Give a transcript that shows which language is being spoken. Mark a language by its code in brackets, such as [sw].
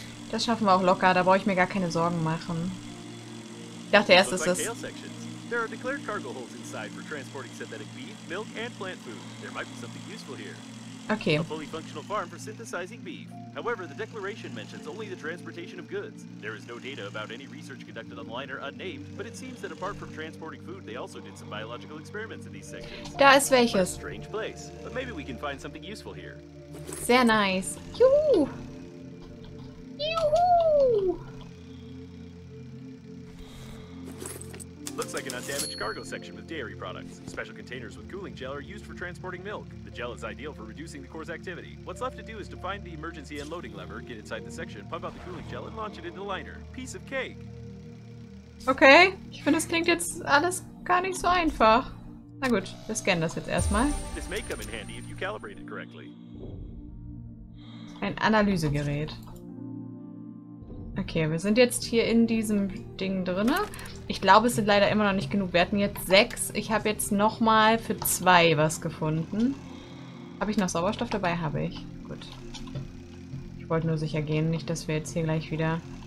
[de] Das schaffen wir auch locker, da brauche ich mir gar keine Sorgen machen. Ich dachte erst, es ist es. [en] There are declared cargo holes inside for transporting synthetic beef, milk and plant food. There might be something useful here. Okay. A fully functional farm for synthesizing beef. However, the declaration mentions only the transportation of goods. There is no data about any research conducted on the liner unnamed, but it seems that apart from transporting food, they also did some biological experiments in these sections. [de] Da ist welches. [en] What a strange place. But maybe we can find something useful here. [de] Sehr nice. Juhu. Juhu! [en] Looks like an undamaged cargo section with dairy products. Special containers with cooling gel are used for transporting milk. The gel is ideal for reducing the core's activity. What's left to do is to find the emergency unloading lever, get inside the section, pump out the cooling gel, and launch it into the liner. Piece of cake! [de] Okay, ich finde, das klingt jetzt alles gar nicht so einfach. Na gut, wir scannen das jetzt erstmal. [en] This may come in handy if you calibrate it correctly. [de] Ein Analysegerät. Okay, wir sind jetzt hier in diesem Ding drin. Ich glaube, es sind leider immer noch nicht genug. Wir hatten jetzt 6. Ich habe jetzt nochmal für 2 was gefunden. Habe ich noch Sauerstoff dabei? Habe ich. Gut. Ich wollte nur sicher gehen, nicht, dass wir jetzt hier gleich wieder...